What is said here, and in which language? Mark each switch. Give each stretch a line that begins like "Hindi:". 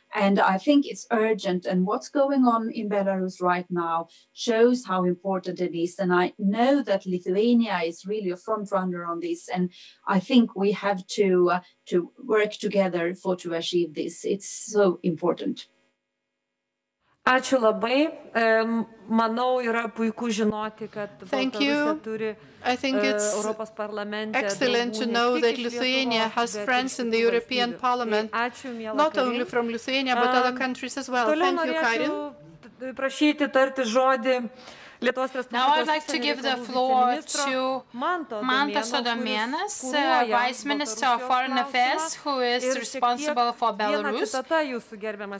English: And I think it's urgent. And what's going on in Belarus right now shows how important it is. And I know that Lithuania is really a front runner on this. And I think we have to work together for to achieve this. It's so important.
Lithuanian: Ačiū labai. Manau, yra puiku žinoti, kad Baltarusija turi
English: I think it's excellent to know that Lithuania has friends in the European Parliament, not only from Lithuania, but other countries as well. Thank you, Karin.
Lithuanian: Prašyti tarti žodį.
English: Now I'd like to give the floor to Mantas Adomėnas, Vice Minister of Foreign Affairs, who is responsible for Belarus.